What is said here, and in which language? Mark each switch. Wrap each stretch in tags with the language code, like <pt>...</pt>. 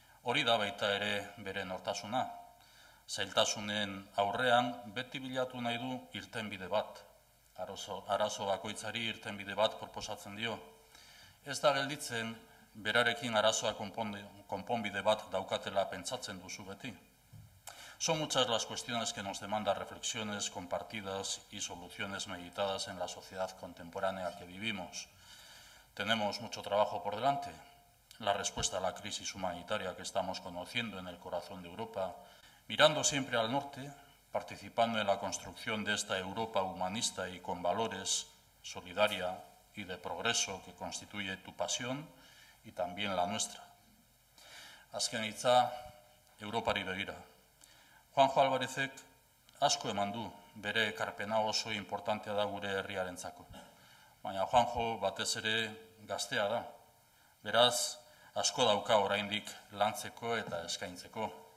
<eu>Hori da baita ere bere nortasuna. Zailtasunen aurrean beti bilatu nahi du irtenbide bat. Arazo bakoitzari irtenbide bat proposatzen dio. Ez da gelditzen berarekin arazoa konponbide bat daukatela pentsatzen duzu beti.</eu> <es>Son muchas las cuestiones que nos demanda reflexiones compartidas y soluciones meditadas en la sociedad contemporánea que vivimos. Tenemos mucho trabajo por delante. La respuesta a la crisis humanitaria que estamos conociendo en el corazón de Europa, mirando siempre al norte, participando en la construcción de esta Europa humanista y con valores, solidaria y de progreso que constituye tu pasión y también la nuestra.</es> <eu>Azken hitza, Europari begira. Juanjo Álvarezek asko eman du bere ekarpena oso importantea da gure herriarentzako. Baina Juanjo batez ere gaztea da. Beraz, asko dauka oraindik lantzeko eta eskaintzeko.</eu>